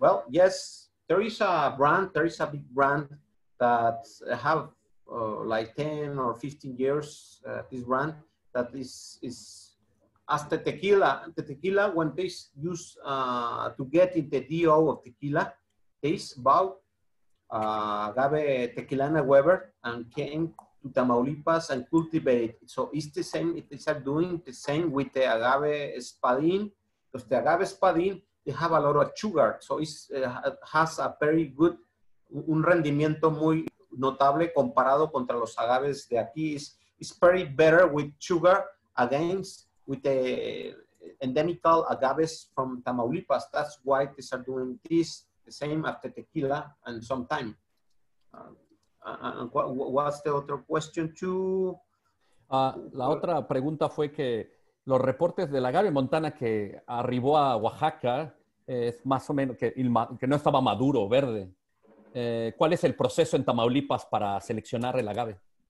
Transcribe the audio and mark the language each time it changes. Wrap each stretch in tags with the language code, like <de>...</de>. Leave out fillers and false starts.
<en>Well, yes, there is a brand, there is a big brand that have like 10 or 15 years, this brand, that is as the tequila, when they use to get in the DO of tequila, they bought agave tequilana Weber and came to Tamaulipas and cultivate. So it's the same, they are doing the same with the agave espadín, because the agave espadín, they have a lot of sugar.</en> <es>So it has a very good, un rendimiento muy notable comparado contra los agaves de aquí.</es> <en>It's very better with sugar against with the endemic agaves from Tamaulipas. That's why they are doing this, the same after tequila and some time. What's the other question too?</en> <es>La otra pregunta fue que los reportes del agave montana que arribó a Oaxaca es más o menos que no estaba maduro, verde. ¿Cuál es el proceso en Tamaulipas para seleccionar el agave?</es>